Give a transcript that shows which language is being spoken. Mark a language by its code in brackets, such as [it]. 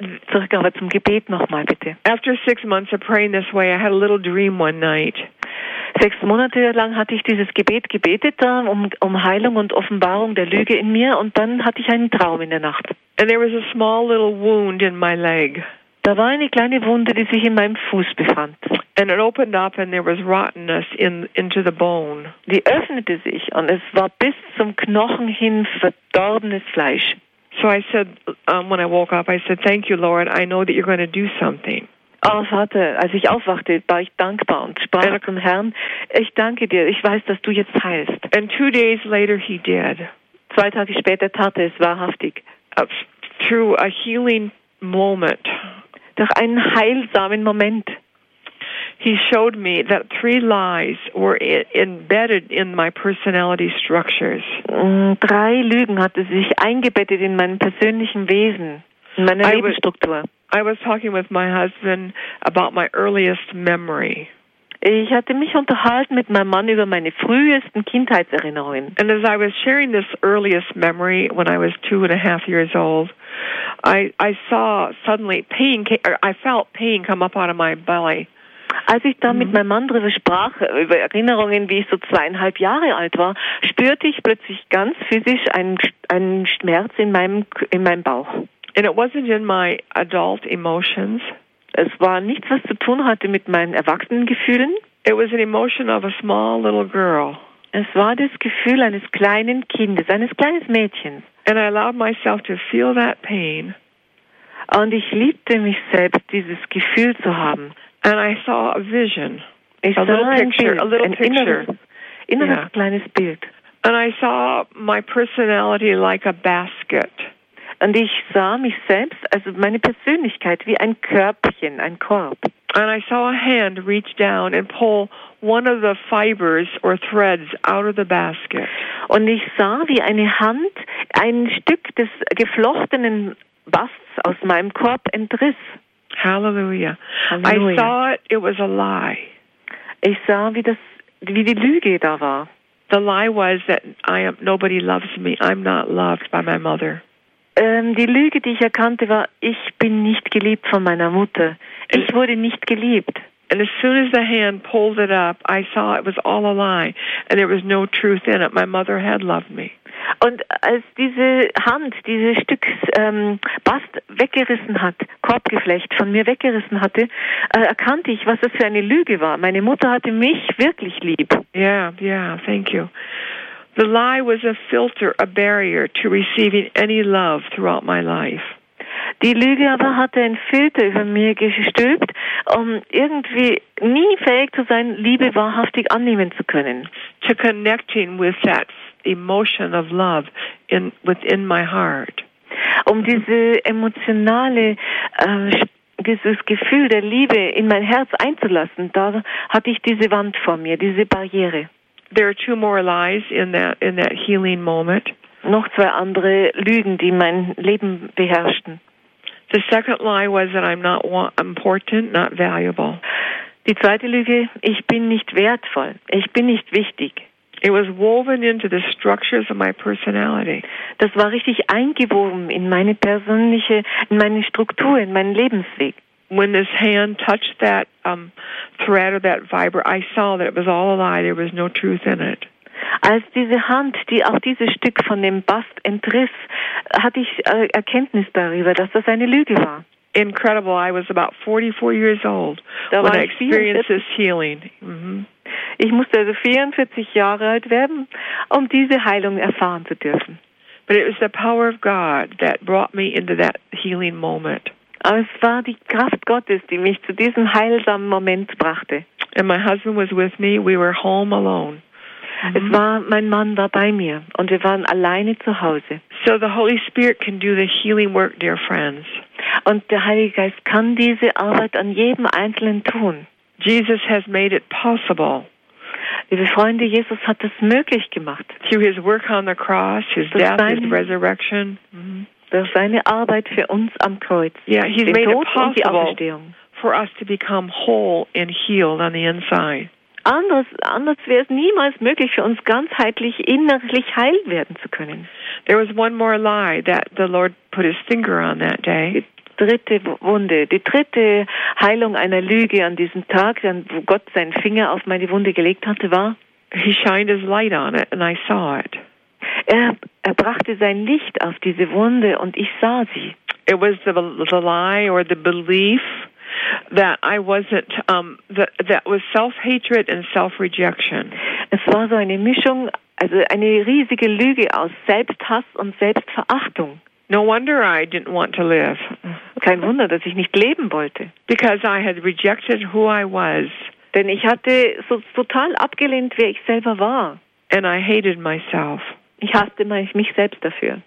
[de] Zurück aber zum Gebet nochmal, bitte. [en] After 6 months of praying this way, I had a little dream one night. [de] 6 Monate lang hatte ich dieses Gebet gebetet, um Heilung und Offenbarung der Lüge in mir, und dann hatte ich einen Traum in der Nacht. [en] And there was a small little wound in my leg. [de] Da war eine kleine Wunde, die sich in meinem Fuß befand. [en] And it opened up and there was rottenness into the bone. [de] Die öffnete sich und es war bis zum Knochen hin verdorbenes Fleisch. [en] So I said, when I woke up, I said, thank you, Lord, I know that you're going to do something. [de] Oh, Vater, als ich aufwachte, war ich dankbar und sprach zum Herrn, ich danke dir, ich weiß, dass du jetzt heilst. [en] And 2 days later he did. [de] 2 Tage später tat es wahrhaftig. [en] Through a healing moment. [de] Durch einen heilsamen Moment. [en] He showed me that 3 lies were embedded in my personality structures. [de] 3 Lügen hatte sich eingebettet in meinem persönlichen Wesen, in meiner Lebensstruktur. [en] I was talking with my husband about my earliest memory. [de] Ich hatte mich unterhalten mit meinem Mann über meine frühesten Kindheitserinnerungen. [en] And as I was sharing this earliest memory when I was 2.5 years old, I saw suddenly pain, I felt pain come up out of my belly. [de] Als ich dann mit meinem Mann darüber sprach, über Erinnerungen, wie ich so 2,5 Jahre alt war, spürte ich plötzlich ganz physisch einen Schmerz in meinem Bauch. [en] And it wasn't in my adult emotions. [de] Es war nichts, was zu tun hatte mit meinen Erwachsenengefühlen. [en] It was an emotion of a small little girl. [de] Es war das Gefühl eines kleinen Kindes, eines kleinen Mädchens. [en] And I allowed myself to feel that pain. [de] Und ich liebte mich selbst, dieses Gefühl zu haben. [en] And I saw a vision. [de] Ich [en] a [de] sah [en] little [de] ein [en] picture, [de] Bild, [en] a little [de] ein [en] picture. [de] Inneres yeah. kleines Bild. [en] And I saw my personality like a basket. [de] Und ich sah mich selbst, also meine Persönlichkeit, wie ein Körbchen, ein Korb. [en] And I saw a hand reach down and pull one of the fibers or threads out of the basket. [de] Und ich sah, wie eine Hand ein Stück des geflochtenen Basts aus meinem Korb entriss. [en] Hallelujah. [de] Halleluja. [en] I thought it was a lie. [de] Ich sah, wie das, wie die Lüge da war. [en] The lie was that I am, nobody loves me. I'm not loved by my mother. [de] Die Lüge, die ich erkannte, war, ich bin nicht geliebt von meiner Mutter. Ich wurde nicht geliebt. [en] And as soon as the hand pulled it up, I saw it was all a lie and there was no truth in it. My mother had loved me. [de] Und als diese Hand, dieses Stück Bast weggerissen hat, Korbgeflecht von mir weggerissen hatte, erkannte ich, was das für eine Lüge war. Meine Mutter hatte mich wirklich lieb. [en] Yeah, yeah, thank you. The lie was a filter, a barrier to receiving any love throughout my life. [de] Die Lüge aber hatte einen Filter über mir gestülpt, um irgendwie nie fähig zu sein, Liebe wahrhaftig annehmen zu können. [en] To connecting with that emotion of love in within my heart. [de] Um diese emotionale dieses Gefühl der Liebe in mein Herz einzulassen, da hatte ich diese Wand vor mir, diese Barriere. [en] There are two more lies in that healing moment. [de] Noch zwei andere Lügen, die mein Leben beherrschten. [en] The second lie was that I'm not important, not valuable. [de] Die zweite Lüge, ich bin nicht wertvoll, ich bin nicht wichtig. [en] It was woven into the structures of my personality. [de] Das war richtig eingewoben in meine persönliche, in meine Struktur, in meinen Lebensweg. [en] When this hand touched that thread or that fiber, I saw that it was all a lie. There was no truth in it. [de] Als diese Hand, die auch dieses Stück von dem Bast entriss, hatte ich Erkenntnis darüber, dass das eine Lüge war. [en] Incredible. I was about 44 years old when I experienced this healing. Mm-hmm. [de] Ich musste also 44 Jahre alt werden, um diese Heilung erfahren zu dürfen. [en] But it was the power of God that brought me into that healing moment. [de] Aber es war die Kraft Gottes, die mich zu diesem heilsamen Moment brachte. [en] And my husband was with me. We were home alone. [de] Es war, mein Mann war bei mir und wir waren alleine zu Hause. [en] So the Holy Spirit can do the healing work, dear friends. [de] Und der Heilige Geist kann diese Arbeit an jedem Einzelnen tun. [en] Jesus has made it possible. [de] Liebe Freunde, Jesus hat es möglich gemacht. [en] Through his work on the cross, his [de] durch [en] death, his resurrection. [de] Durch seine Arbeit für uns am Kreuz. [en] Yeah, he's [de] den [en] made [de] Tod [en] it possible for us to become whole and healed on the inside. [de] Anders wäre es niemals möglich für uns ganzheitlich innerlich heil werden zu können. [en] There was one more lie that the Lord put his finger on that day. [de] Dritte Wunde, die dritte Heilung einer Lüge an diesem Tag, wo Gott seinen Finger auf meine Wunde gelegt hatte, war. [en] He shined his light on it and I saw it. [de] Er brachte sein Licht auf diese Wunde und ich sah sie. [en] It was the lie or the belief that I wasn't that was self-hatred and self-rejection. [de] Es war so eine Mischung, also eine riesige Lüge aus Selbsthass und Selbstverachtung. [en] No wonder I didn't want to live. [de] Kein Wunder, dass ich nicht leben wollte. [en] Because I had rejected who I was. [de] Denn ich hatte so total abgelehnt, wer ich selber war. [en] And I hated myself. [de] Ich hasste mich selbst dafür.